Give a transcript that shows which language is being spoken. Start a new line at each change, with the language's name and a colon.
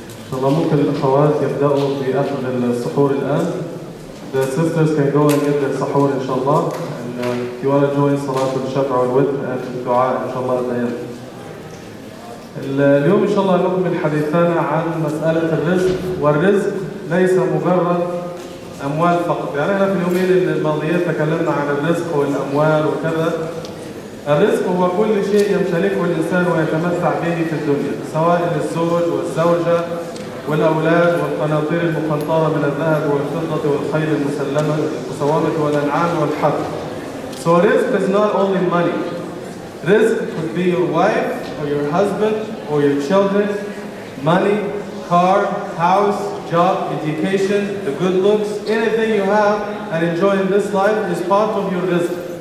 Arabic: So ممكن الأخوات يبدأوا في أخذ السحور الآن.
English: The sisters can go and get their sahur inshallah. And if you want to join Salat al-Shafa al-Witr and Dua inshallah al-Layl.
Arabic: اليوم إن شاء الله نكمل حديثنا عن مسألة الرزق، والرزق ليس مجرد أموال فقط. يعني احنا في اليومين الماضيين تكلمنا عن الرزق والأموال وكذا. الرزق هو كل شيء يمتلكه الإنسان ويتمتع به في الدنيا، سواء الزوج والزوجة والأولاد والقناطير المقنطرة من الذهب والفضة والخيل المسلمة وصوامة والأنعام والحرف.
English: So risk is not only money. Risk could be your wife or your husband or your children, money, car, house, job, education, the good looks, anything you have and enjoy in this life is part of your risk.